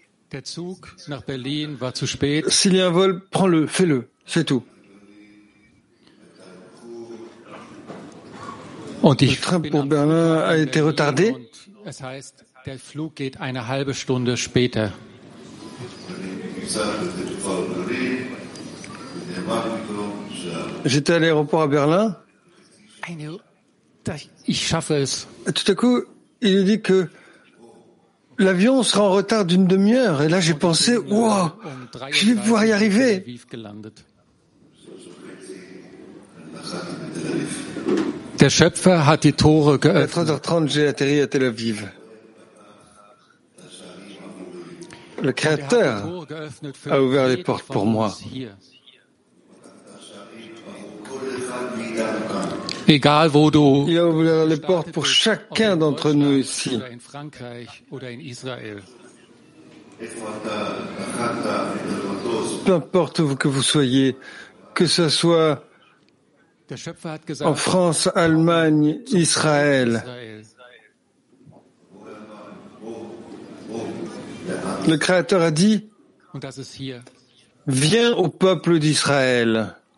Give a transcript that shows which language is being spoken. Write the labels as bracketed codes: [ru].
[de] der Zug nach Berlin war zu spät. [fr] S'il y a un vol, prends-le, fais-le, c'est tout. [de] Und [fr] le train pour Berlin a été retardé. [de] Es heißt, der Flug geht eine halbe Stunde später. [fr] J'étais à l'aéroport à Berlin. [de] Eine ich schaffe es. [fr] Et tout à coup, il lui dit que l'avion sera en retard d'une demi-heure. Et là, j'ai pensé, wow, je vais pouvoir y arriver. [de] Der Schöpfer hat die Tore geöffnet. [fr] 3h30, j'ai atterri à Tel Aviv. Le Créateur a ouvert les portes pour moi. [de] Egal wo du. [fr] Il a ouvert les portes pour chacun d'entre nous ici. [de] In Frankreich oder in Israel. [fr] Peu importe où que vous soyez, que ce soit en France, Allemagne, Israël. Le Créateur a dit, viens au peuple d'Israël.